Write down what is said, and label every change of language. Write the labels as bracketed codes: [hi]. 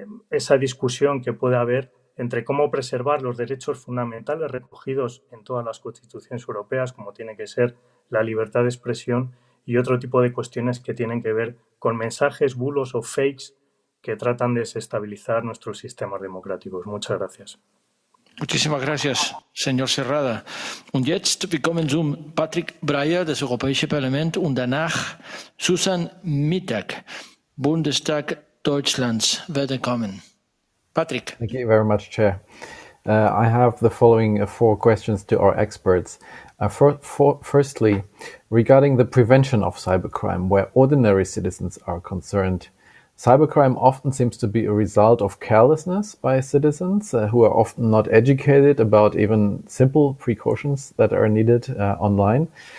[es] esa discusión que puede haber entre cómo preservar los derechos fundamentales recogidos en todas las constituciones europeas, como tiene que ser la libertad de expresión, y otro tipo de cuestiones que tienen que ver con mensajes, bulos o fakes que tratan de desestabilizar nuestros sistemas democráticos. Muchas gracias. Muchísimas gracias, señor Serrada. [de] Und jetzt willkommen zum Patrick Breyer des Europäischen Parlament und danach Susan Mittag, Bundestag Deutschlands. Willkommen. Patrick. [en] Thank you very much, Chair. I have the following four questions to our experts. Firstly, regarding the prevention of cybercrime, where ordinary citizens are concerned, cybercrime often seems to be a result of carelessness by citizens who are often not educated about even simple precautions that are needed online.